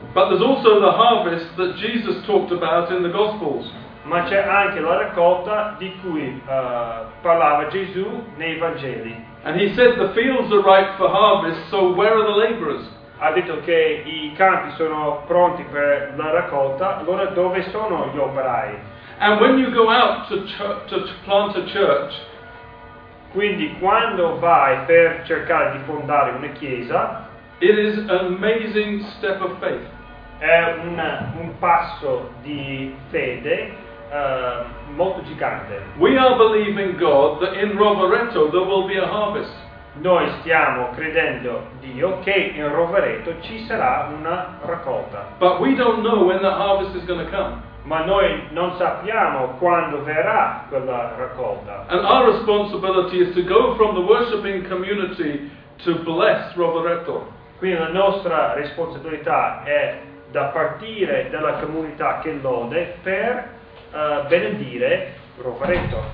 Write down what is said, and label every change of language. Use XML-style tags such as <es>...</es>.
<en>But there's also the harvest that Jesus talked about in the Gospels.</en> <it>Ma c'è anche la raccolta di cui parlava Gesù nei Vangeli.</it> <en>And he said the fields are ripe for harvest, so where are the laborers?</en> <it>Ha detto che i campi sono pronti per la raccolta, allora dove sono gli operai?</it> <en>And when you go out to plant a church,</en> <it>quindi quando vai per cercare di fondare una chiesa,</it> <en>it is an amazing step of faith.</en> <it>È un passo di fede molto gigante.</it> <en>We are believing God that in Rovereto there will be a harvest.</en> <it>Noi stiamo credendo Dio che in Rovereto ci sarà una raccolta.</it> <en>But we don't know when the harvest is going to come.</en> <it>Ma noi non sappiamo quando verrà quella raccolta.</it> <en>And our responsibility is to go from the worshiping community to bless Rovereto.</en> <it>Quindi la nostra responsabilità è da partire dalla comunità che lode per benedire Rovereto.</it>